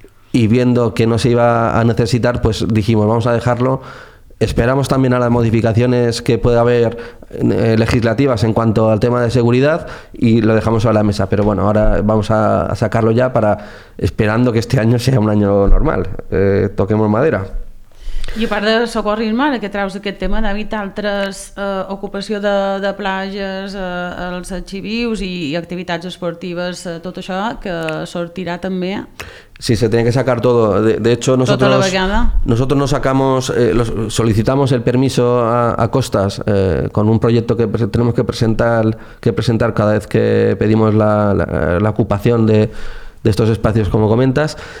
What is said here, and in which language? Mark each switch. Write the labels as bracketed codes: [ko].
[es] Y viendo que no se iba a necesitar, pues dijimos, vamos a dejarlo. Esperamos también a las modificaciones que pueda haber legislativas en cuanto al tema de seguridad y lo dejamos sobre la mesa. Pero bueno, ahora vamos a sacarlo ya para esperando que este año sea un año normal. Toquemos madera. [ca] I a part de socorrisme, ara que traus aquest tema, David, altres ocupació de plages, els arxivius i activitats esportives, tot això que sortirà també? [es] Sí, se tiene que sacar todo. De hecho, nosotros nos sacamos, solicitamos el permiso a Costas con un proyecto que tenemos que presentar cada vez que pedimos la ocupación de estos espacios, como comentas.